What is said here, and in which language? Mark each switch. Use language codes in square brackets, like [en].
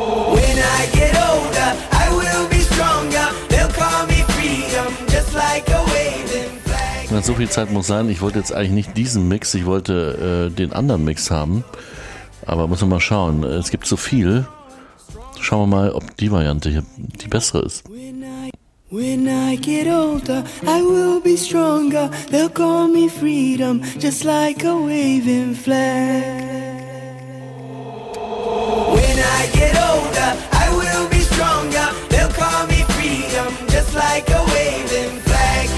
[en] When I get older, I will be stronger. They'll call me freedom, just like a waving flag. [de] Na, so viel Zeit muss sein. Ich wollte jetzt eigentlich nicht diesen Mix, ich wollte den anderen Mix haben. Aber muss man mal schauen. Es gibt so viel. Schauen wir mal, ob die Variante hier die bessere ist. [en] When I get older, I will be stronger. They'll call me freedom, just like a waving flag. When I get older, I will be stronger. They'll call me freedom, just like a waving flag.